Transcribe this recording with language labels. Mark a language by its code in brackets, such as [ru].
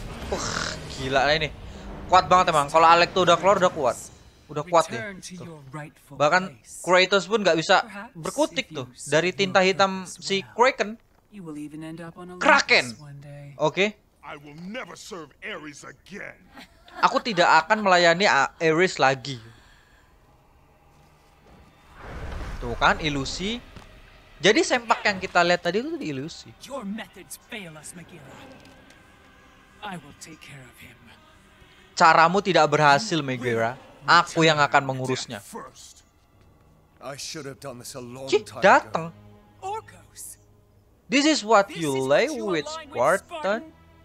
[id] Enough. Gila ini. Kuat banget emang. Kalau Alec tuh udah keluar udah kuat. Udah kuat deh. Tuh. Bahkan Kratos pun enggak bisa berkutik tuh dari tinta hitam si Kraken. Kraken. Oke. [en] I will never serve Ares again. [id] Aku tidak akan melayani Ares lagi. Tuh kan ilusi. Jadi sempak yang kita lihat tadi itu ilusi. [en] Your methods fail us, Megilla. I will take care of him. [id] Caramu tidak berhasil, Megilla. Aku yang akan mengurusnya. [en] I should have done this a long time ago. [id] Datang. [en] Orcos. This is what this you lay with Spartan.